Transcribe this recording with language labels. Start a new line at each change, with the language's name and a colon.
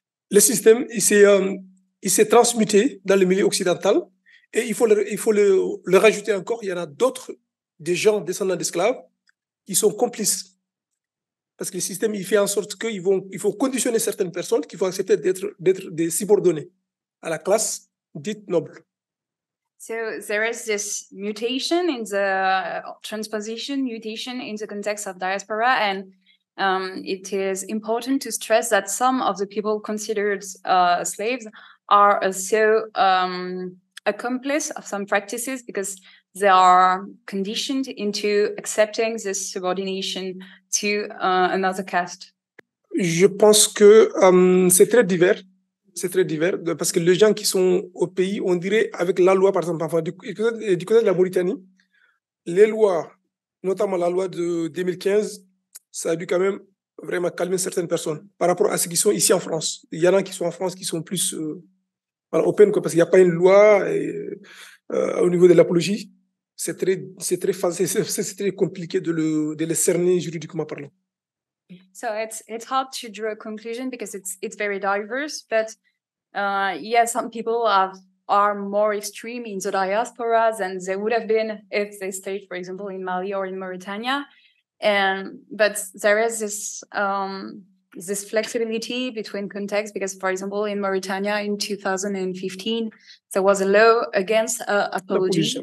French: Le système, il s'est transmuté dans le milieu occidental, et il faut le rajouter encore. Il y en a d'autres, des gens descendants d'esclaves, qui sont complices. Parce que le système, il fait en sorte qu'il faut conditionner certaines personnes qui vont accepter d'être des subordonnées à la classe dite noble.
English: So there is this mutation in the transposition, mutation in the context of diaspora, and It is important to stress that some of the people considered slaves are also accomplices of some practices because they are conditioned into accepting this subordination to another caste.
French: Je pense que c'est très divers. C'est très divers parce que les gens qui sont au pays, on dirait avec la loi, par exemple, enfin, du côté de la Mauritanie, les lois, notamment la loi de 2015, ça a dû quand même vraiment calmer certaines personnes par rapport à ceux qui sont ici en France. Il y en a qui sont en France qui sont plus voilà, open, quoi, parce qu'il n'y a pas une loi et, au niveau de l'apologie. C'est très compliqué de le cerner juridiquement parlant.
English: So it's hard to draw a conclusion because it's very diverse. But yeah, some people are more extreme in the diaspora than they would have been if they stayed, for example, in Mali or in Mauritania. But there is this this flexibility between contexts because, for example, in Mauritania in 2015 there was a law against apology.